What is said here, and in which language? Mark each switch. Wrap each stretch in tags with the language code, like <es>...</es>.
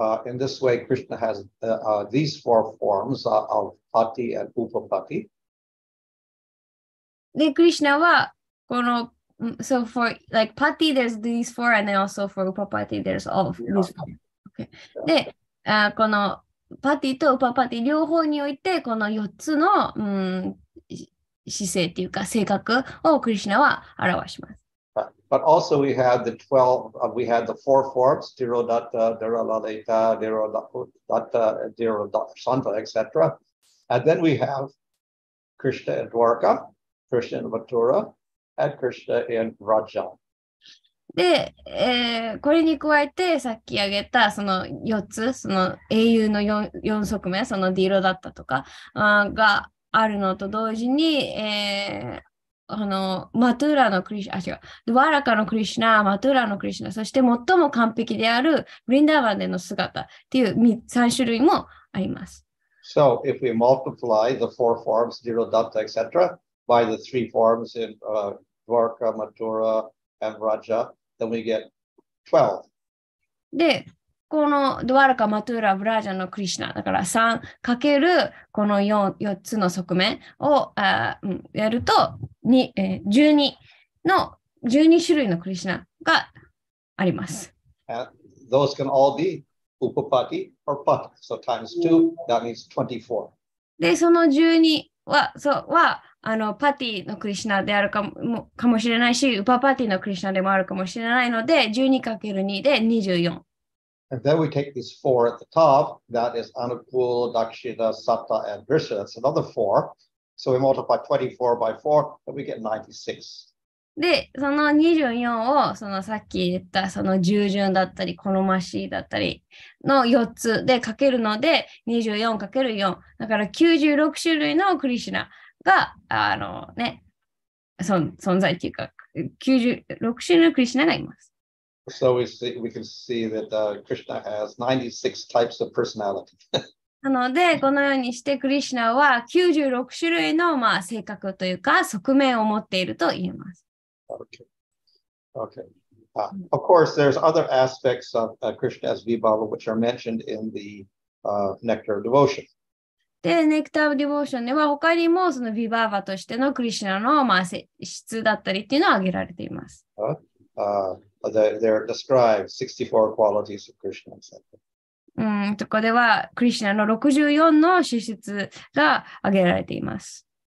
<en>In this way, Krishna has these four forms of pati and upapati.</en> <ja>で、Krishna はこの、</ja> <en>so for like pati, there's these four, and then also for upapati, there's all of these four. Okay.</en> <ja>で、このパティとウパパティ両方において、この四つの、姿勢っていうか性格を Krishna は表します。</ja> <en>But also we had the 12, we had the four forms, Tirodatta, Dhiralalita, Dhirodatta, Dhirodasanta, etc. And then we have Krishna in Dwarka, Krishna in Mathura, and Krishna in Raja.</en> <ja>で、これに加えてさっき挙げたその4つ、その英雄の 4側面、そのDhirodattaとかがあるのと同時に、マトゥーラのクリシナ、ドワラカのクリシナ、マトゥーラのクリシナ、そして最も完璧であるブリンダーバンでの姿っていう 3種類もあります。</ja> <en>So, if we multiply the four forms, Dhiro Datta, etc., by the three forms in Dwarka, Mathura, and Raja, then we get 12.</en> <ja>で、このドワラカ、マトゥーラ、ブラジャのクリシナ、だから 3× この 4つの側面をやると、12種類のクリシナがあります。</ja> <en>Those can all be upapati or pata. So times 2, that means 24.</en> <ja>で、その12は、そうは、パティのクリシナであるかもしれないし、ウパパティのクリシナでもあるかもしれないので、12×2 で24。</ja> <en>And then we take these four at the top, that is Anukul, Dakshina, Sata, and Drishta. That's another four. So we multiply 24 by 4, and we get 96.</en> <ja>で、その24を、そのさっき言った、その従順だったり、好ましいだったりの4つでかけるので、24×4。だから96種類のクリシナが、存在っていうか、96種類のクリシナがいます。</ja> <en>So we can see that Krishna has 96 types of personality.</en> <ja>なので、このようにして、クリシュナは96種類の、性格というか、側面を持っていると言えます。</ja> <en>Okay. Okay. Of course, there's other aspects of Krishna's Vibhava which are mentioned in the Nectar of Devotion.</en> <ja>で、ネクターディボーションでは他にもそのヴィバーバとしてのクリシナのまあ質だったりっていうのを挙げられています。</ja> <en>They're described 64 qualities of Krishna.</en> <ja>そこではクリシナの64の資質が挙げられています。</ja>